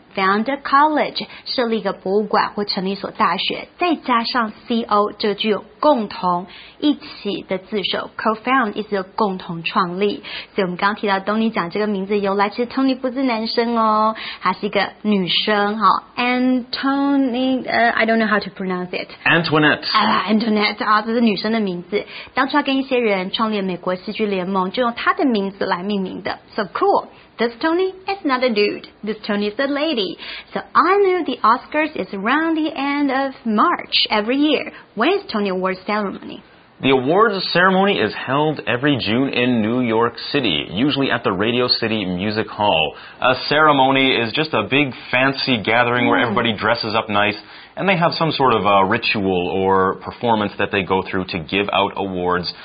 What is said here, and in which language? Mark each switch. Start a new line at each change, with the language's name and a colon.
English: Found a college,
Chinese: 设立一个博物馆或成立一所大学，再加上 CO, 这具有共同一起的字首 co-found, 意思有共同创立。所以我们刚提到 Tony 讲这个名字由来，其实 Tony 不是男生哦，他是一个女生。好
English: ,Antony, I don't know how to pronounce it. Antoinette.
Chinese: Antoinette, 这是女生的名字。当初他跟一些人创立了美国戏剧联盟，就用他的名字来命名的。
English: So cool. This Tony is not a dude. This Tony is a lady. So I knew the Oscars is around the end of March every year. When is Tony Awards ceremony? The awards ceremony is held every June in New York City, usually at the Radio City Music Hall. A ceremony is just a big fancy gathering where everybody dresses up nice, and they have some sort of a ritual or performance that they go through to give out awards.